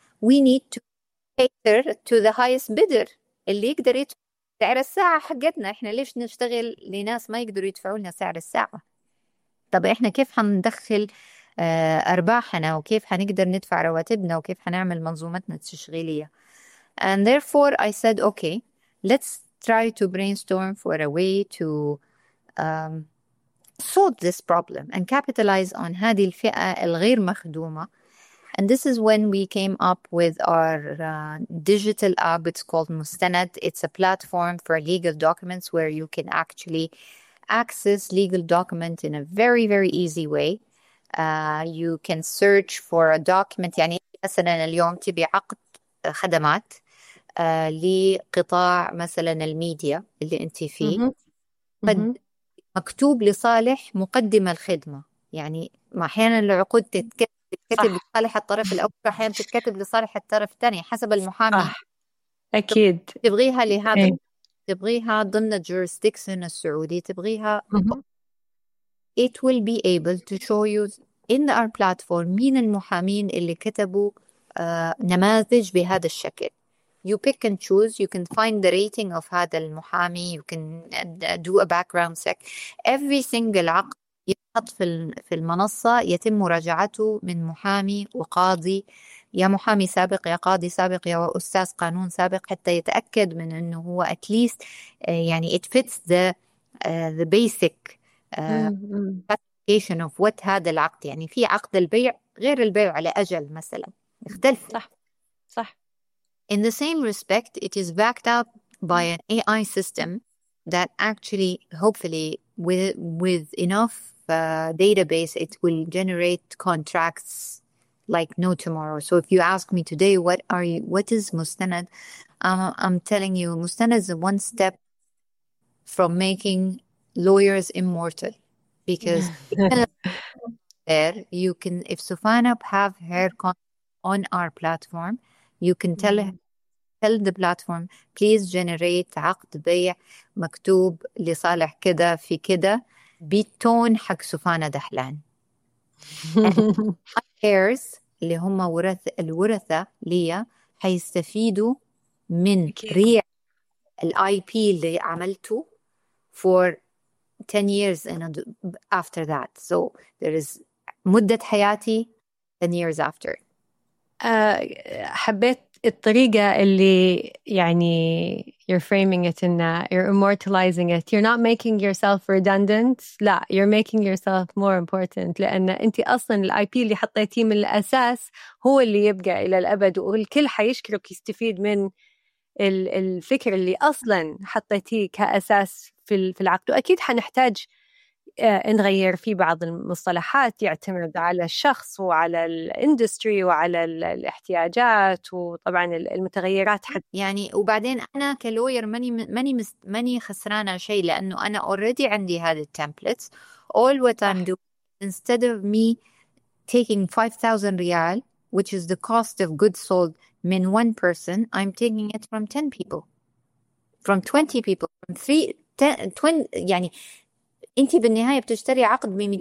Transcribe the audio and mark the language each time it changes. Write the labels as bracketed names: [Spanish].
[English] We need to cater to the highest bidder [Arabic] اللي يقدر يدفع سعر الساعة حقتنا. إحنا ليش نشتغل لناس ما يقدروا يدفعوا لنا سعر الساعة؟ طب إحنا كيف حندخل أرباحنا، وكيف حنقدر ندفع رواتبنا، وكيف حنعمل منظومتنا التشغيلية؟ [English] And therefore I said okay, let's try to brainstorm for a way to solve this problem and capitalize on [Arabic] هذه الفئة الغير مخدومة. [English] And this is when we came up with our digital app. It's called Mustanad. It's a platform for legal documents where you can actually access legal document in a very, very easy way. You can search for a document. [Arabic] يعني مثلا اليوم تبي عقد خدمات لقطاع مثلا الميديا اللي انت فيه، مكتوب لصالح مقدم الخدمة. يعني احيانا العقود تتكتب لصالح الطرف الاول، احيانا تتكتب لصالح الطرف الثاني حسب المحامي. صح. اكيد تبغيها لهذا، تبغيها ضمن الجورستيكسن السعودي، تبغيها [English] it will be able to show you in our platform [Arabic] مين المحامين اللي كتبوا نماذج بهذا الشكل. [English] You pick and choose, you can find the rating of [Arabic] هذا المحامي, [English] you can do a background check. [Arabic] Every single عقد يحط في المنصة يتم مراجعته من محامي وقاضي، يا محامي سابق، يا قاضي سابق، يا أستاذ قانون سابق، حتى يتأكد من أنه هو [English] at least [Arabic] يعني [English] it fits the basic classification of what [Arabic] هذا العقد. يعني في عقد البيع غير البيع على أجل مثلا، يختلف. صح صح. [English] In the same respect, it is backed up by an AI system that actually, hopefully, with enough database, it will generate contracts like no tomorrow. So if you ask me today, what is Mustanad? I'm telling you, Mustanad is one step from making lawyers immortal, because there you can, if Sufana have her on our platform, you can tell the platform, please generate [Arabic] عقد بيع مكتوب لصالح كده في كده بتون حق سفانة دحلان. heirs اللي هم ورث الورثة ليا هيستفيدوا من IP اللي عملته [English] for 10 years and after that. So there is [Arabic] مدة حياتي [English] 10 years after. [Arabic] حبيت الطريقة اللي يعني [English] you're framing it in that, you're immortalizing it. You're not making yourself redundant. [Arabic] لا, [English] you're making yourself more important, [Arabic] لأن أنت أصلاً الIP اللي حطيتيه من الأساس هو اللي يبقى إلى الأبد, والكل حيشكرك يستفيد من الفكر اللي أصلاً حطيتيه كأساس في العقد. وأكيد حنحتاج نغير في بعض المصطلحات, يعتمد على الشخص وعلى الاندستري وعلى الاحتياجات وطبعا المتغيرات حد. يعني وبعدين انا كلوير ماني خسرانه شيء, لانه انا اوريدي عندي هذه التمبلتس. [English] all what I'm doing instead of me taking 5000 ريال which is the cost of goods sold من one person, I'm taking it from 10 people, from 20 people, from 10 [Arabic] يعني انت بالنهايه بتشتري عقد ب 200.